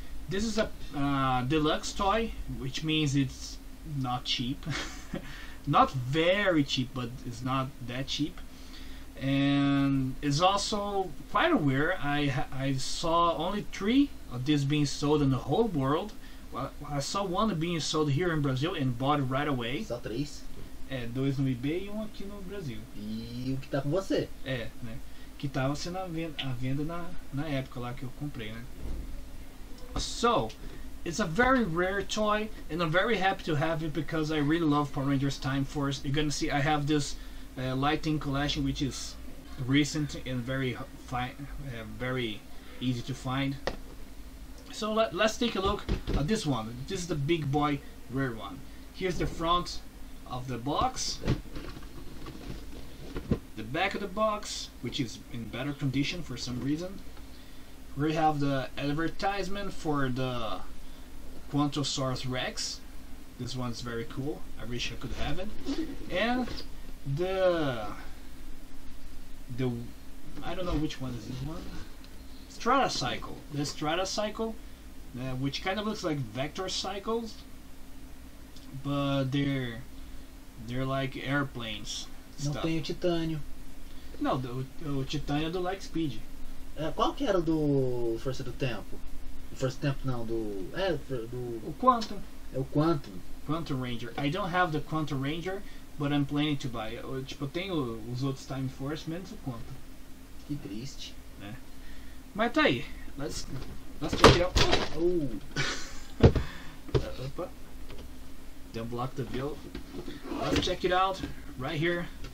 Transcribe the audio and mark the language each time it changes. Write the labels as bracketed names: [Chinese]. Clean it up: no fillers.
[English] This is a deluxe toy, which means it's not cheap. Not very cheap, but it's not that cheap. And it's also quite aware. I saw only three of these being sold in the whole world. Well, I saw one being sold here in Brazil and bought it right away. [Portuguese] Só três? É, dois no eBay e um aqui no Brasil. E o que tá com você? É, né? Que tava sendo a venda na época lá que eu comprei, né? [English] So, it's a very rare toy and I'm very happy to have it because I really love Power Rangers Time Force. You're gonna see, I have this lightning collection, which is recent and very very easy to find. So let's take a look at this one. This is the big boy rare one. Here's the front of the box, the back of the box, which is in better condition for some reason. We have the advertisement for the Quantasaurus Rex. This one's very cool. I wish I could have it. And the I don't know which one is this one. Stratacycle. The Stratacycle, which kind of looks like vector cycles, but they're like airplanes. [Portuguese] Não tem o Titânio. Não, o Titânio é do Lightspeed. Qual que era o do Força do Tempo? O Força do Tempo não, do. É, do. O Quantum. É o Quantum. Quantum Ranger. [English] I don't have the Quantum Ranger, but I'm planning to buy. [Portuguese] Tipo, eu tenho os outros Time Force, menos o Quantum. Que triste. Né? Mas tá aí. [English] Let's check it out. [Portuguese] Opa. [English] Don't block the view. Let's check it out. Right here.